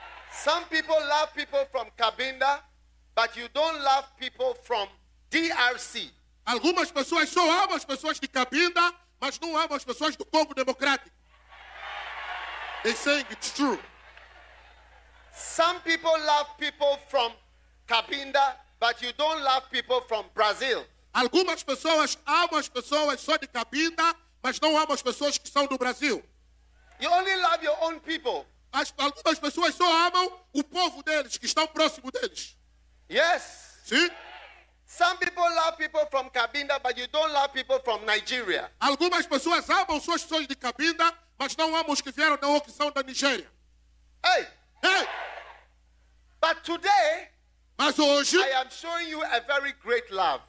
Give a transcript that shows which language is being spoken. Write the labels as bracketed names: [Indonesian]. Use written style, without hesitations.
[English] Some people love people from Cabinda, but you don't love people from DRC. [Portuguese] Algumas pessoas só amam as pessoas de Cabinda, mas não amam as pessoas do Congo Democrático. [English] They say it's true. Some people love people from Cabinda, But you don't love people from Brazil. [Portuguese] Algumas pessoas amam as pessoas só de cabina, mas não amam as pessoas que são do Brasil. [English] You only love your own people. [Portuguese] As, algumas pessoas só amam o povo deles, que estão próximo deles. [English] Yes. [Portuguese] Sim. [English] Some people love people from Cabinda, but you don't love people from Nigeria. [Portuguese] Algumas pessoas amam suas pessoas de Cabinda, mas não amam os que vieram da opção da Nigéria. Hey. Hey. [English] But today, [Portuguese] mas hoje, [English] I am showing you a very great love.